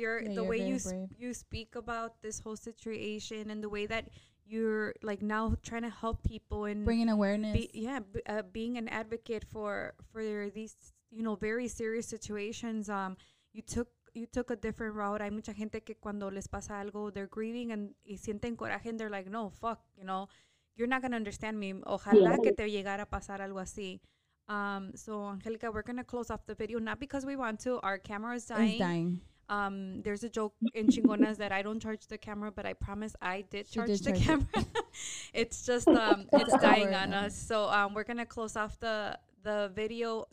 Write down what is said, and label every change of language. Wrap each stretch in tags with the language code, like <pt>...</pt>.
<en>You speak about this whole situation and the way that you're, like, now trying to help people and bringing awareness. Being an advocate for these, you know, very serious situations. You took a different route.</en> <es>Hay mucha gente que cuando les pasa algo,</es> <en>they're grieving and</en> <es>y sienten coraje</es> <en>and they're like, no, fuck, you know, you're not going to understand me.</en> <es>Ojalá que te llegara a pasar algo así.</es> <en>So, Angelica, we're going to close off the video, not because we want to. Our camera is dying. There's a joke in Chingonas that I don't charge the camera, but I promise I did charge the camera. It's just, it's dying on us. So, we're going to close off the video.</en>